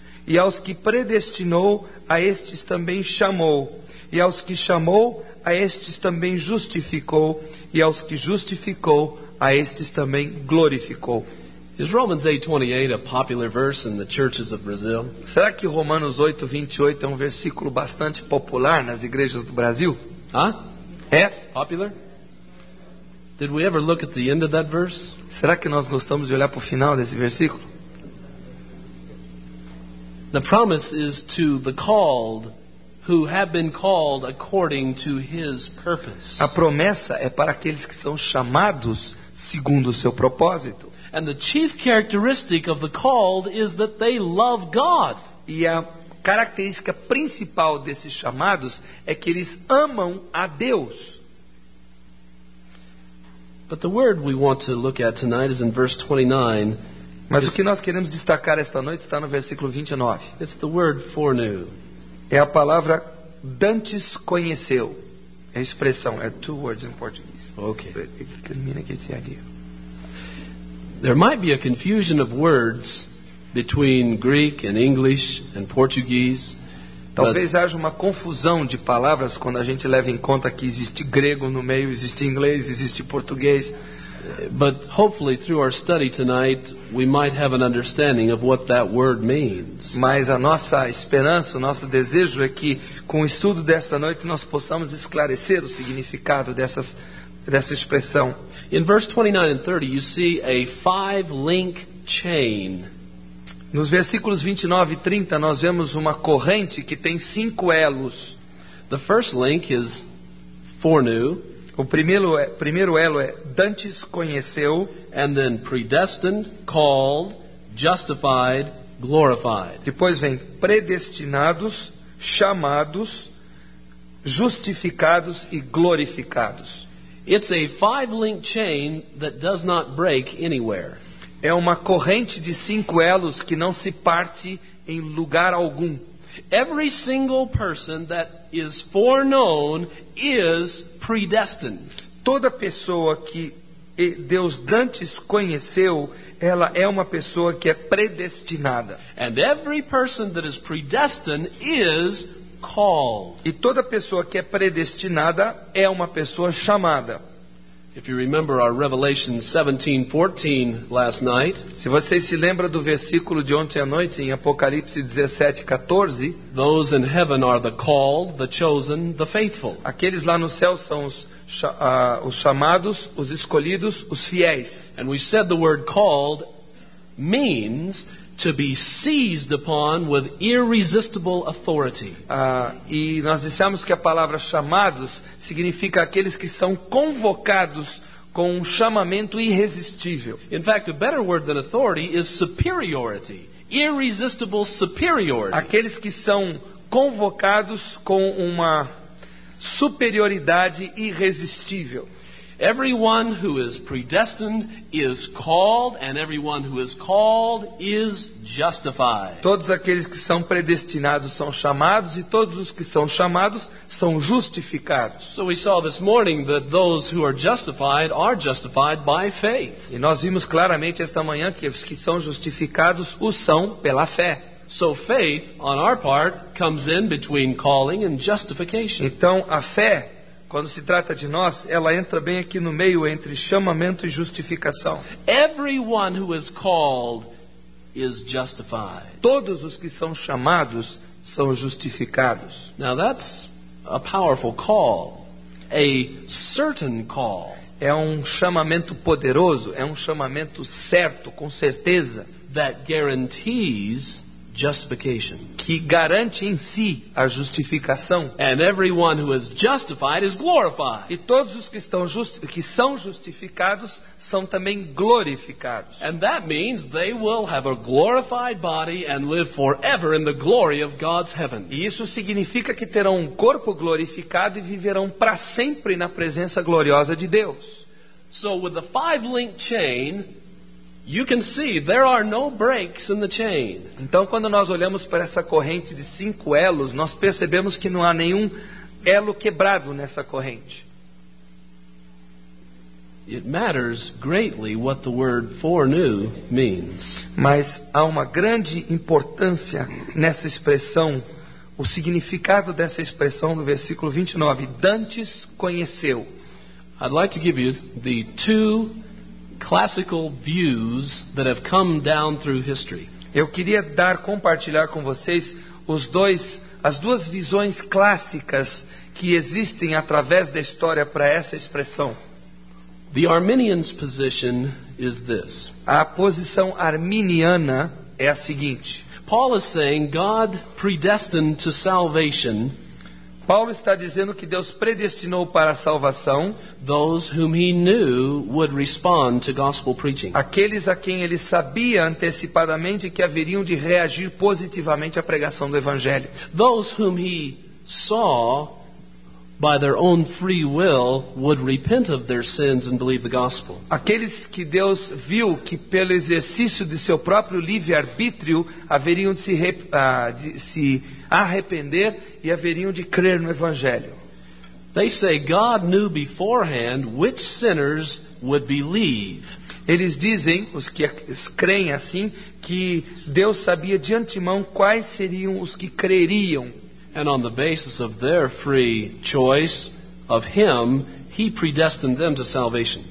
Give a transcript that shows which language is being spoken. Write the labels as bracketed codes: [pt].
[pt] E aos que predestinou, a estes também chamou. E aos que chamou, a estes também justificou. E aos que justificou, a estes também glorificou. [en] Is Romans 8:28 a popular verse in the churches of Brazil? [pt] Será que Romanos 8:28 é um versículo bastante popular nas igrejas do Brasil? Huh? É? Popular? [en] Did we ever look at the end of that verse? [pt] Será que nós gostamos de olhar para o final desse versículo? [en] The promise is to the called who have been called according to his purpose. [pt] A promessa é para aqueles que são chamados segundo o seu propósito. [en] And the chief characteristic of the called is that they love God. [pt] E a característica principal desses chamados é que eles amam a Deus. [en] But the word we want to look at tonight is in verse 29. [pt] Mas o que nós queremos destacar esta noite está no versículo 29. [en] It's the word foreknew. [pt] É a palavra dantes conheceu. É a expressão. É [en] two words in Portuguese. Okay. But it could mean against the idea. There might be a confusion of words between Greek and English and Portuguese. [pt] Talvez haja uma confusão de palavras quando a gente leva em conta que existe grego no meio, existe inglês, existe português. [en] But hopefully through our study tonight we might have an understanding of what that word means. [pt] Mas a nossa esperança, o nosso desejo é que com o estudo dessa noite nós possamos esclarecer o significado dessa expressão. [en] In verse 29 and 30 you see a five link chain. [pt] Nos versículos 29 e 30 nós vemos uma corrente que tem cinco elos. [en] The first link is foreknew. [pt] O primeiro elo é dantes conheceu, [en] and then predestined, called, justified, glorified. [pt] Depois vem predestinados, chamados, justificados e glorificados. [en] It's a five-link chain that does not break anywhere. [pt] É uma corrente de cinco elos que não se parte em lugar algum. [en] Every single person that is foreknown is predestined. [pt] Toda pessoa que Deus dantes conheceu, ela é uma pessoa que é predestinada. [en] And every person that is predestined is called. [pt] E toda pessoa que é predestinada é uma pessoa chamada. [en] If you remember our Revelation 17:14 last night, [pt] se vocês se lembram do versículo de ontem à noite em Apocalipse 17:14, [en] those in heaven are the called, the chosen, the faithful. [pt] Aqueles lá no céu são os chamados, os escolhidos, os fiéis. [en] And we said the word called means to be seized upon with irresistible authority. [pt] E nós dissemos que a palavra chamados significa aqueles que são convocados com um chamamento irresistível. [en] In fact, a better word than authority is superiority. Irresistible superiority. [pt] Aqueles que são convocados com uma superioridade irresistível. [en] Everyone who is predestined is called, and everyone who is called is justified. [pt] Todos aqueles que são predestinados são chamados, e todos os que são chamados são justificados. [en] So we saw this morning that those who are justified by faith. [pt] E nós vimos claramente esta manhã que os que são justificados o são pela fé. [en] So faith on our part comes in between calling and justification. [pt] Então a fé, quando se trata de nós, ela entra bem aqui no meio entre chamamento e justificação. [en] Everyone who is called is justified. [pt] Todos os que são chamados são justificados. [en] Now that's a powerful call, a certain call. [pt] É um chamamento poderoso, é um chamamento certo, com certeza. [en] That guarantees justification, [pt] que garante em si a justificação. [en] And everyone who is justified is glorified. [pt] E todos os que estão justificados são também glorificados. [en] And that means they will have a glorified body and live forever in the glory of God's heaven. [pt] E isso significa que terão um corpo glorificado e viverão para sempre na presença gloriosa de Deus. [en] So with the five link chain, you can see there are no breaks in the chain. [pt] Então, quando nós olhamos para essa corrente de cinco elos, nós percebemos que não há nenhum elo quebrado nessa corrente. [en] It matters greatly what the word "fornew" means. [pt] Mas há uma grande importância nessa expressão, o significado dessa expressão no versículo 29. Dantes conheceu. [en] I'd like to give you the two classical views that have come down through history. [pt] Eu queria compartilhar com vocês as duas visões clássicas que existem através da história para essa expressão. [en] The Arminian's position is this. [pt] A posição arminiana é a seguinte. [en] Paul is saying God predestined to salvation. [pt] Paulo está dizendo que Deus predestinou para a salvação [en] those whom he knew would respond to gospel preaching. [pt] Aqueles a quem ele sabia antecipadamente que haveriam de reagir positivamente à pregação do evangelho. [en] Those whom he saw by their own free will would repent of their sins and believe the gospel. [pt] Aqueles que Deus viu que pelo exercício de seu próprio livre-arbítrio haveriam de se arrepender e haveriam de crer no evangelho. [en] They say God knew beforehand which sinners would believe. [pt] Eles dizem, os que creem assim, que Deus sabia de antemão quais seriam os que creriam. [en] And on the basis of their free choice of him, he predestined them to salvation.